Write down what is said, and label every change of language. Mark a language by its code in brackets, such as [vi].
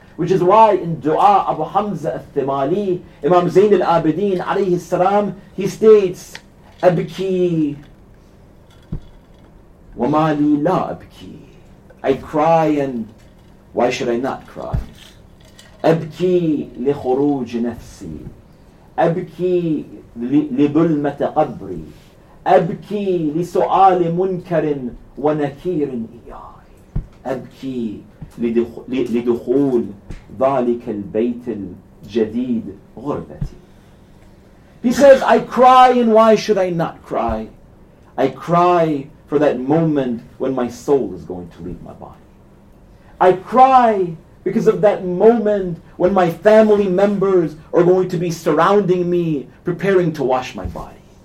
[en] Which is why in Dua Abu Hamza al-Thimali, Imam Zain al-Abidin alayhi salam, he states, [ar] أَبْكِي وَمَا لِي لَا أَبْكِي. [en] I cry, and why should I not cry? [ar] أبكي لخروج نفسي أبكي لظلمة قبري أبكي لسؤال منكر ونكير إياي أبكي لدخول ذلك البيت الجديد غربتي. [en] He says, I cry, and why should I not cry? I cry for that moment when my soul is going to leave my body. I cry because of that moment when my family members are going to be surrounding me, preparing to wash my body.